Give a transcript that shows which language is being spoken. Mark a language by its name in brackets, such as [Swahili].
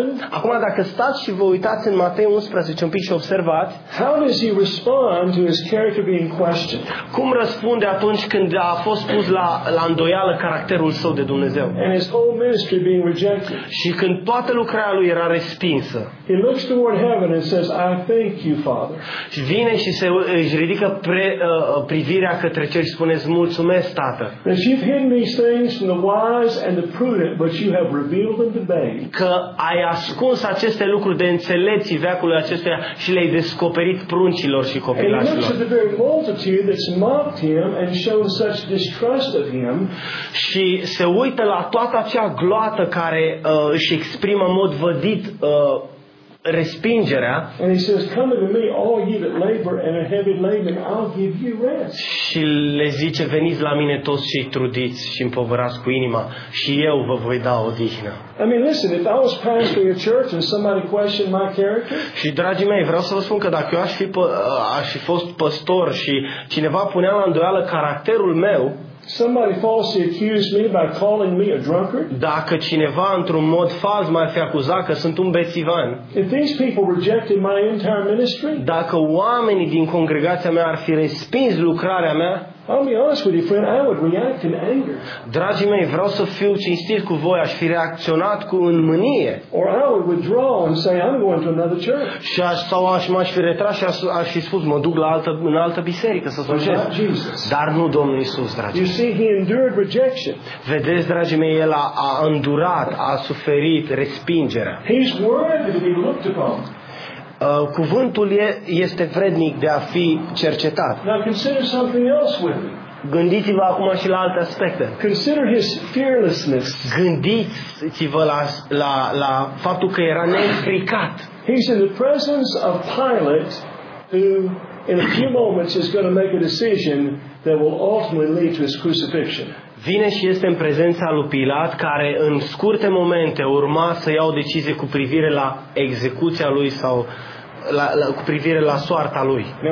[Romanian] Acum, dacă stați și vă uitați în Matei 11 un pic și observați, [English] how does he respond to his character being questioned? [Romanian] Cum răspunde atunci când a fost pus la îndoială caracterul său de Dumnezeu? [English] And his whole ministry being rejected. [Romanian] Și când toată lucrarea lui era respinsă. [English] He looks toward heaven and says, I thank you, Father. [Romanian] Și vine și își ridică privirea către cer și spune, mulțumesc. [English] That you've hidden these things from the wise and the prudent, but you have revealed them to babes. [Romanian] Că ai ascuns aceste lucruri de înțelepții veacului acestuia și le-ai descoperit pruncilor și copilașilor. [English] And he looks at the very multitude that's mocked him and shown such distrust of him. [Romanian] Și se uită la toată acea gloată care își exprimă în mod vădit respingerea. [English] And he says, come unto me all ye that labor and are heavy laden, I'll give you rest. [Romanian] Și le zice, veniți la mine toți cei trudiți și împovărați cu inima și eu vă voi da odihnă. [English] I mean, listen, if I was pastoring a church and somebody questioned my character? [Romanian] Și dragii mei, vreau să vă spun că dacă eu aș fi fost păstor și cineva punea la îndoială caracterul meu, [English] somebody falsely accused me by calling me a drunkard? [Romanian] Dacă cineva într-un mod fals m-ar fi acuzat că sunt un bețivan. [English] If these people rejected my entire ministry? [Romanian] Dacă oamenii din congregația mea ar fi respins lucrarea mea? [English] I'll be honest with you, friend, I would react in anger. [Romanian] Dragii mei, vreau să fiu cinstit cu voi, aș fi reacționat cu mânie. [English] Or I would withdraw and say I'm going to another church. [Romanian] Și aș fi retras și aș fi spus mă duc la în altă biserică să slujesc. Dar nu Domnul Iisus, dragii. [English] You see, he endured rejection. [Romanian] Vedeți, dragii mei, el a îndurat, a suferit respingerea. [English] He's worthy to be looked upon. [Romanian] Cuvântul este vrednic de a fi cercetat. [English] Now consider something else with me. [Romanian] Gândiți-vă acum și la alte aspecte. [English] Consider his fearlessness. [Romanian] Gândiți-vă la faptul că era nefricat. [English] He's in the presence of Pilate, who in a few moments is going to make a decision that will ultimately lead to his crucifixion. [Romanian] Vine și este în prezența lui Pilat, care în scurte momente urma să ia o decizie cu privire la execuția lui sau cu privire la soarta lui.